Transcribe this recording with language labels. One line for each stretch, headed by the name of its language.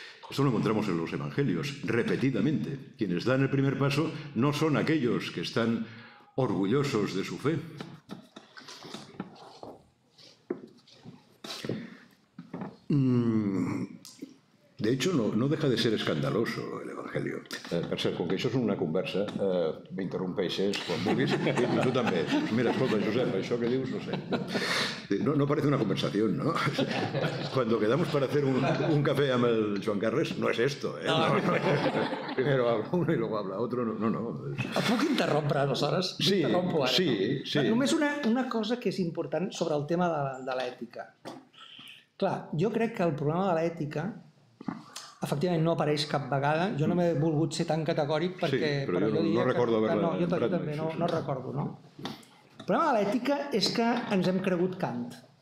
Spanish: Eso lo encontramos en los evangelios, repetidamente. Quienes dan el primer paso no son aquellos que están orgullosos de su fe. De hecho, no deja de ser escandaloso el evangelio.
Catalan: Per cert, com que això és una conversa, m'interrompeixes quan vulguis. I tu també. Mira, escolta, Josep, això que dius, no sé.
Spanish: No parece una conversación, ¿no? Cuando quedamos para hacer un café amb el Joan Carles, no es esto, ¿eh? No. Primero habla uno y luego habla otro. No.
Catalan: Et puc interrompre, aleshores? Sí, ara, sí, no? Sí. Només una cosa que és important sobre el tema de l'ètica. Clar, jo crec que el problema de l'ètica efectivament no apareix cap vegada. Jo no m'he volgut ser tan categòric perquè... Sí, però jo no recordo haver-la... No, jo també no recordo, no? El problema de l'ètica és que ens hem cregut Kant.